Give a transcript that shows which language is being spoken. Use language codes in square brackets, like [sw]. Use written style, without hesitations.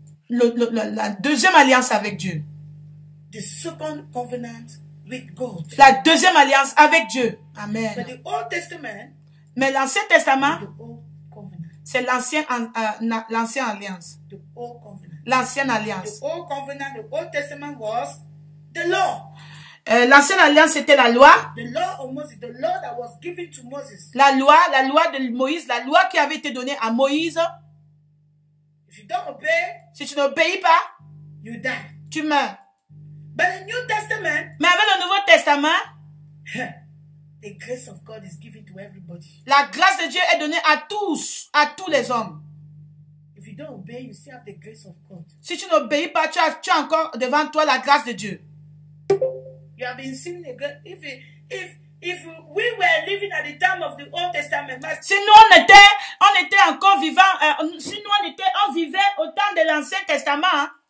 [fr] La deuxième alliance avec Dieu. [en] The second covenant with God. [fr] La deuxième alliance avec Dieu. Amen. [en] But the Old Testament, [fr] mais l'Ancien Testament, [en] the old covenant. [fr] C'est l'ancienne alliance. [en] The old covenant. [fr] L'ancienne alliance. [en] The old covenant, the Old Testament was the law. [fr] L'ancienne alliance c'était la loi. [en] The law of Moses, the law that was given to Moses. [fr] La loi de Moïse, la loi qui avait été donnée à Moïse. [en] If you don't obey, [fr] si tu n'obéis pas, [en] you die. [fr] Tu meurs. [en] But the New Testament, [fr] mais avec le Nouveau Testament, [en] the grace of God is given to everybody. [fr] La grâce de Dieu est donnée à tous les hommes. [en] If you don't obey, you still have the grace of God. [fr] Si tu n'obéis pas, tu as encore devant toi la grâce de Dieu. [en] You have been sinning again. If If we were living at the time of the Old Testament, [fr] si nous on était encore vivant, si nous on vivait au temps de l'Ancien Testament.